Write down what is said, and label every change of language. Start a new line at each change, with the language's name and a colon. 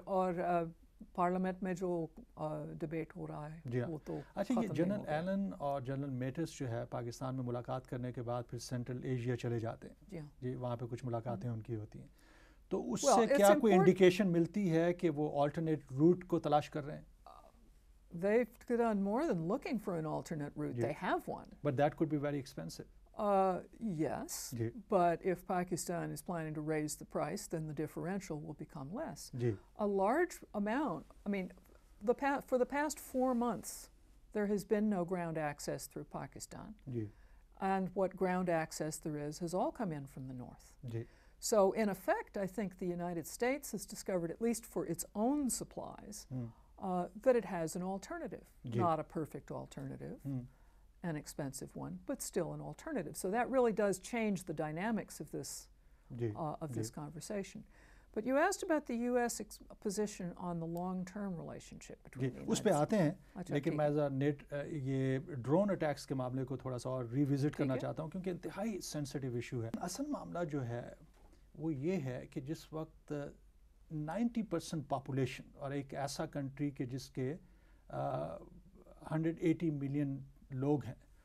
Hindi: और पार्लियामेंट में जो डिबेट हो रहा है वो तो अच्छा, ये जनरल एलन और जनरल मेटिस जो है पाकिस्तान में मुलाकात करने के बाद फिर सेंट्रल एशिया चले जाते हैं. जी, वहाँ पे कुछ मुलाकातें उनकी होती हैं, तो उससे क्या कोई इंडिकेशन मिलती है कि वो ऑल्टरनेट रूट को तलाश कर रहे हैं?
English: They've done more than looking for an alternate route. They have one. But that could be very expensive. Yes, but if Pakistan is planning to raise the price, then the differential will become less. A large amount, I mean, for the past 4 months, there has been no ground access through Pakistan. And what ground access there is has all come in from the north. So in effect, I think the United States has discovered, at least for its own supplies, that it has an alternative, not a perfect alternative. An expensive one, but still an alternative. So that really does change the dynamics of this this conversation. But you asked about the U.S. position on the long-term relationship between the United States.
Hindi: उस पे आते हैं, लेकिन मैं ये drone attacks के मामले को थोड़ा सा और रिविजिट करना चाहता हूँ, क्योंकि इंतहाई सेंसिटिव इशू है. असल मामला जो है वो ये है कि जिस वक्त 90% पॉपुलेशन और एक ऐसा कंट्री के जिसके 180 मिलियन लोग हैं,